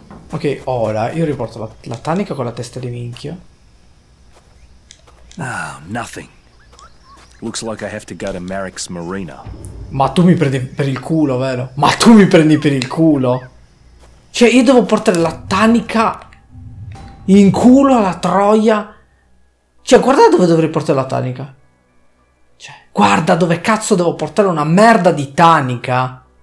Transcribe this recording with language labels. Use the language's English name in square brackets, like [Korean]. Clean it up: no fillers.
[Italian] Ok, ora io riporto la tanica con la testa di minchia. [English] Ah, nothing. Looks like I have to go to Merrick's Marina. [Italian] Ma tu mi prendi per il culo, vero? Ma tu mi prendi per il culo? Cioè, io devo portare la tanica in culo alla troia? Cioè, guarda dove dovrei portare la tanica. Cioè, guarda dove cazzo devo portare una merda di tanica.